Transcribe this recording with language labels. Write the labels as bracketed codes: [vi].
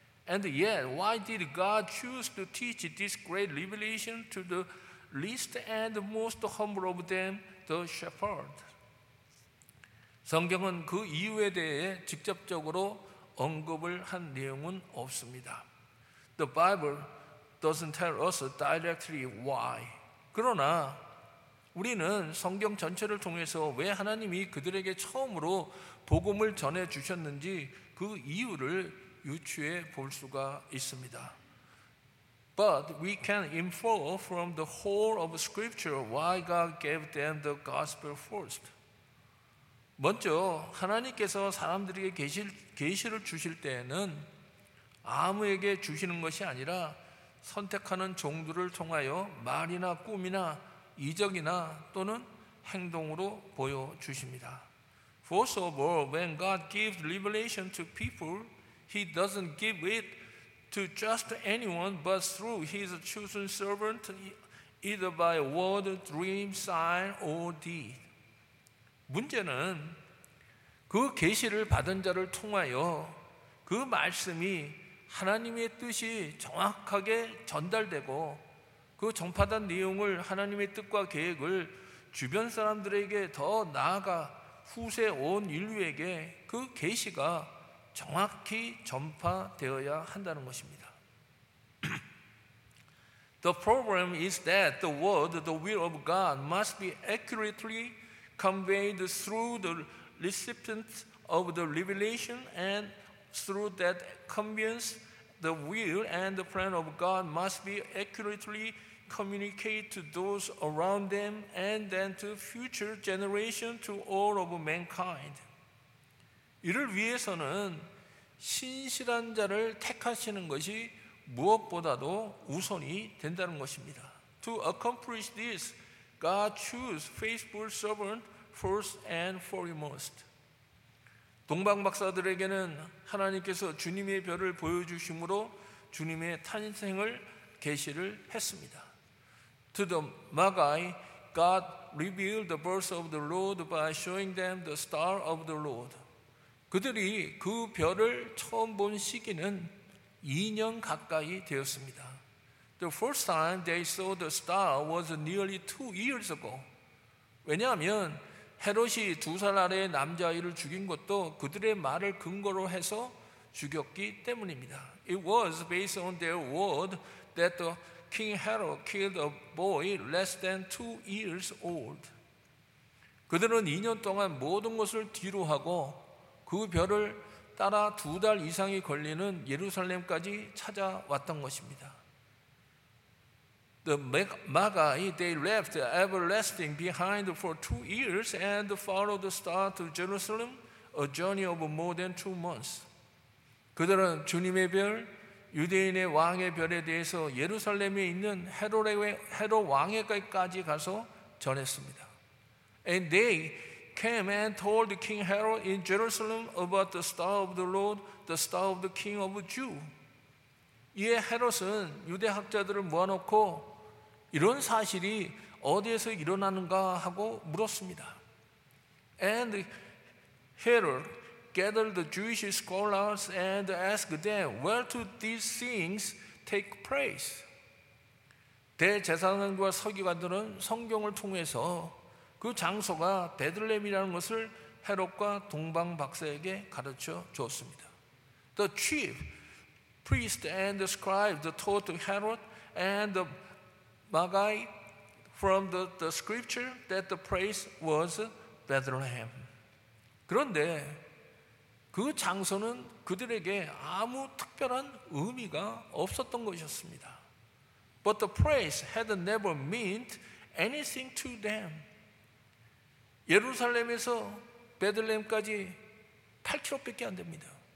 [en] And yet, why did God choose to teach this great revelation to the least and most humble of them, the shepherd. [ko] 성경은 그 이유에 대해 직접적으로 언급을 한 내용은 없습니다. [en] The Bible doesn't tell us directly why. [ko] 그러나 우리는 성경 전체를 통해서 왜 하나님이 그들에게 처음으로 복음을 전해 주셨는지 그 이유를 유추해 볼 수가 있습니다. [en] But we can infer from the whole of Scripture why God gave them the gospel first. [ko] 먼저 하나님께서 사람들에게 계시를 주실 때에는 아무에게 주시는 것이 아니라 선택하는 종들을 통하여 말이나 꿈이나 이적이나 또는 행동으로 보여주십니다. [en] First of all, when God gives revelation to people, He doesn't give it to just anyone, but through His chosen servant, either by word, dream, sign, or deed. [ko] 문제는 그 계시를 받은 자를 통하여 그 말씀이 하나님의 뜻이 정확하게 전달되고 그 전파된 내용을 하나님의 뜻과 계획을 주변 사람들에게 더 나아가 후세 온 인류에게 그 계시가 정확히 전파되어야 한다는 것입니다. [en] The problem is that the word, the will of God must be accurately conveyed through the recipient of the revelation and through that conveyance the will and the plan of God must be accurately communicate to those around them and then to future generation to all of mankind. [ko] 이를 위해서는 신실한 자를 택하시는 것이 무엇보다도 우선이 된다는 것입니다. [en] To accomplish this, God choose faithful servant first and foremost. [ko] 동방 박사들에게는 하나님께서 주님의 별을 보여주심으로 주님의 탄생을 계시를 했습니다. [en] To the Magi, God revealed the birth of the Lord by showing them the star of the Lord. [ko] 그들이 그 별을 처음 본 시기는 2년 가까이 되었습니다. [en] The first time they saw the star was nearly 2 years ago. [ko] 왜냐하면 헤롯이 두 살 아래 남자아이를 죽인 것도 그들의 말을 근거로 해서 죽였기 때문입니다. [en] It was based on their word that the King Herod killed a boy less than 2 years old. [ko] 그들은 2년 동안 모든 것을 뒤로 하고 그 별을 따라 두 달 이상이 걸리는 예루살렘까지 찾아왔던 것입니다. [en] The Magi, they left the everlasting behind for 2 years and followed the star to Jerusalem, a journey of more than 2 months. [ko] 그들은 주님의 별, 유대인의 왕의 별에 대해서 예루살렘에 있는 헤롯 왕에게까지 가서 전했습니다. [en] And they came and told King Herod in Jerusalem about the star of the Lord, the star of the King of Jew. [ko] 이에 헤롯은 유대 학자들을 모아놓고 이런 사실이 어디에서 일어나는가 하고 물었습니다. [en] And Herod gathered the Jewish scholars and asked them, where do these things take place? [ko] 대제사장과 서기관들은 성경을 통해서 그 장소가 베들레헴이라는 것을 헤롯과 동방 박사에게 가르쳐 주었습니다. [en] The chief priest and the scribe taught Herod and the Magi from the scripture that the place was Bethlehem. [ko] 그런데 그 장소는 그들에게 아무 특별한 의미가 없었던 것이었습니다. [en] But the place had never meant anything to them. [ko] 예루살렘에서 베들레헴까지 8km밖에 안 됩니다.